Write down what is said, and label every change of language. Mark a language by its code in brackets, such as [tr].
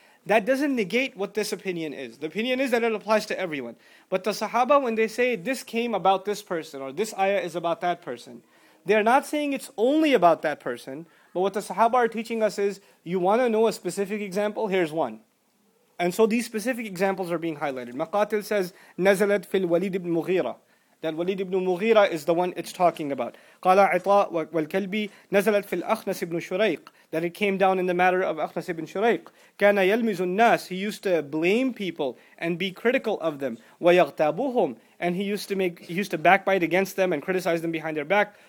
[en] That doesn't negate what this opinion is. The opinion is that it applies to everyone. But the Sahaba, when they say this came about this person, or this ayah is about that person, They're not saying it's only about that person, but what the Sahaba are teaching us is, you want to know a specific example? Here's one. And so these specific examples are being highlighted. Maqatil says, [ar] نَزَلَتْ فِي الْوَلِيدِ بْنُ مُغِيرَةِ. [en] That Walid ibn Mughira is the one it's talking about. [ar] قَالَ عِطَاءُ وَالْكَلْبِ نَزَلَتْ فِي الْأَخْنَسِ بْنُ شُرَيْقٍ. [en] That it came down in the matter of Akhnas ibn Shuraiq. [ar] كَانَ يَلْمِزُ النَّاسِ. [en] He used to blame people and be critical of them. [ar] وَيَغْتَابُهُمْ. [en] And he used to backbite against them and criticize them behind their back.